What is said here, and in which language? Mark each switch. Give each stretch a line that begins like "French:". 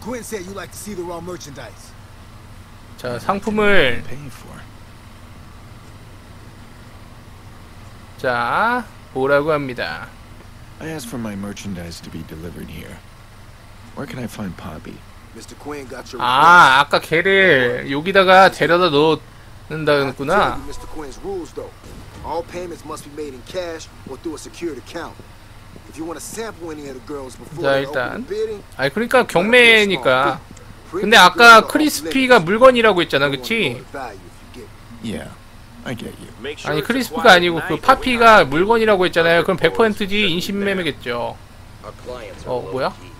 English: Quinn said you like to see the raw merchandise.
Korean: 자, 상품을 자, 보라고 합니다.
English: I asked for my merchandise to be delivered here. Where can I find Poppy? Mr. Quinn got your.
Korean: 아, 아까 걔를 여기다가 데려다 넣는다구나.
English: Mr. Quinn's rules though. All payments must be made in cash or through a secured account. If you want to sample any of the girls before.
Korean: 자, 일단. 아, 그러니까 경매니까. 근데 아까 크리스피가 물건이라고 했잖아, 그렇지?
English: Yeah, I get you.
Korean: 아니, 크리스피가 아니고 그 파피가 물건이라고 했잖아요. 그럼 100%지 인신매매겠죠. 뭐야?